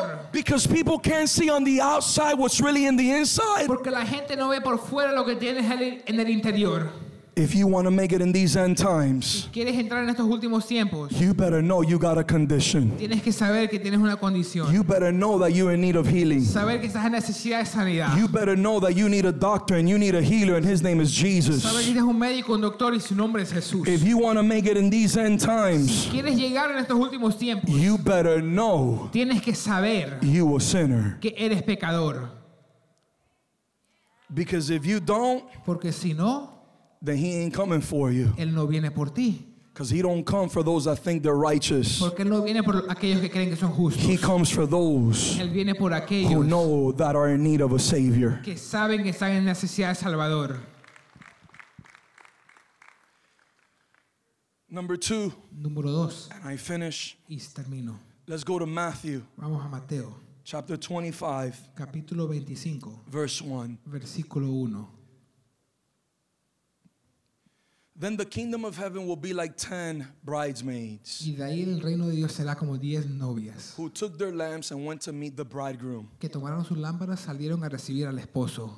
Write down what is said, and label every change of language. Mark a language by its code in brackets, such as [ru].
[en] Because people can't see on the outside what's really in the inside. If you want to make it in these end times, [es] si quieres entrar en estos últimos tiempos, [en] you better know you got a condition. [es] Tienes que saber que tienes una condición. [en] You better know that you're in need of healing. [es] Saber que estás en necesidad de sanidad. [en] You better know that you need a doctor and you need a healer, and his name is Jesus. [es] Saber que tienes un médico, un doctor, y su nombre es Jesús. [en] If you want to make it in these end times, [es] si quieres llegar en estos últimos tiempos, [en] you better know, [es] tienes que saber, [en] you a sinner, [es] que eres pecador. [en] Because if you don't, [es] porque si no, [en] then he ain't coming for you. [es] Él no viene por ti. [en] Because he don't come for those that think they're righteous. [es] Porque él no viene por aquellos que creen que son justos. [en] He comes for those, [es] él viene por aquellos, [en] who know that are in need of a savior. [es] Que saben que están en necesidad de Salvador. [en] Number two. [es] Número dos. [en] And I finish. [es] Y termino. [en] Let's go to Matthew. [es] Vamos a Mateo. [en] Chapter 25. [es] Capítulo 25. [en] Verse 1. [es] Versículo 1. [en] Then the kingdom of heaven will be like 10 bridesmaids. [es] Y de ahí el reino de Dios será como 10 novias. [en] Who took their lamps and went to meet the bridegroom. [es] Que tomaron sus lámparas, salieron a recibir al esposo.